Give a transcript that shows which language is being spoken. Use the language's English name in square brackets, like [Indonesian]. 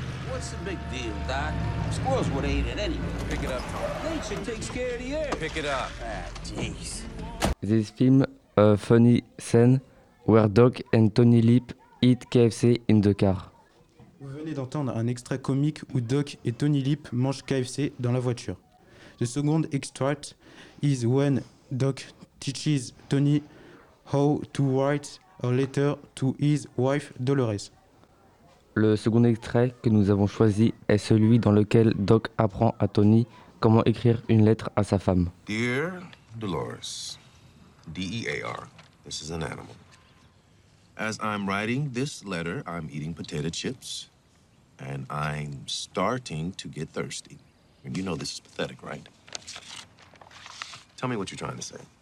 [English] What's the big deal, Doc? Squirrels would eat it anyway. Pick it up, Tom. Nature takes care of the air. Pick it up. Ah, jeez. This film, a funny scene where Doc and Tony Lip eat KFC in the car. [French] Vous venez d'entendre un extrait comique où Doc et Tony Lip mangent KFC dans la voiture. [English] The second extract is when Doc teaches Tony how to write a letter to his wife Dolores. [French] Le second extrait que nous avons choisi est celui dans lequel Doc apprend à Tony comment écrire une lettre à sa femme. [English] Dear Dolores, D-E-A-R, this is an animal. As I'm writing this letter, I'm eating potato chips, and I'm starting to get thirsty. And you know this is pathetic, right? Tell me what you're trying to say.